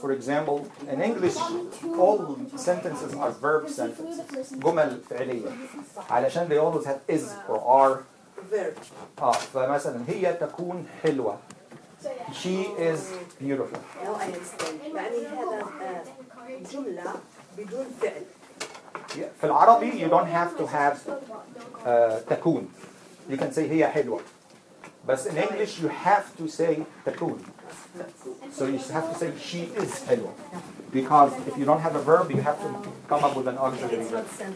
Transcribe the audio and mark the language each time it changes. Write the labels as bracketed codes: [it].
[en] For example, in English, all sentences are verb sentences. [ar] جمل فعلية. [en] علشان they always have is or are. Verb. For example, [ar] هي تكون حلوة. [en] She is beautiful. Now I understand. [ar] يعني هذا جملة بدون فعل. في العربي [en] you don't have to have تكون. You can say [ar] هي حلوة. [en] But in English you have to say تكون. So you have to say she is حلوة. Because if you don't have a verb, you have to come up with an auxiliary verb.